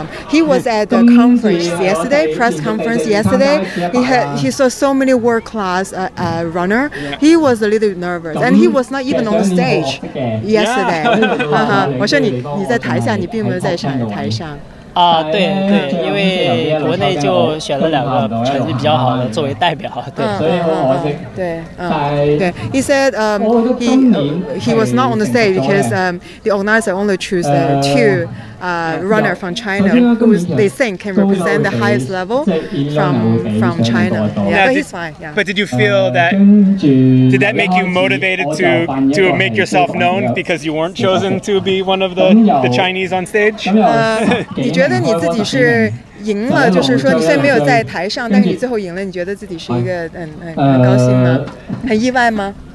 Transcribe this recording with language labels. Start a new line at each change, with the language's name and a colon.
English: He was at the conference yesterday, press conference yesterday. He saw so many world class runner. He was a little nervous, and he was not even on the stage yesterday.
Chinese: 我说你在台下，你并没有在台上。对，因为国内就选了两个成绩比较好的作为代表。对，
English: he said he was not on the stage because the organizer only chose two runner from China who they think can represent the highest level from China. Yeah, but he's fine. Yeah. But did you feel that? Did that make you motivated to make yourself known because you weren't chosen to be one of the Chinese on stage?
Chinese: 你觉得你自己是赢了，就是说你虽然没有在台上，但你最后赢了，你觉得自己是一个很高兴吗？很意外吗？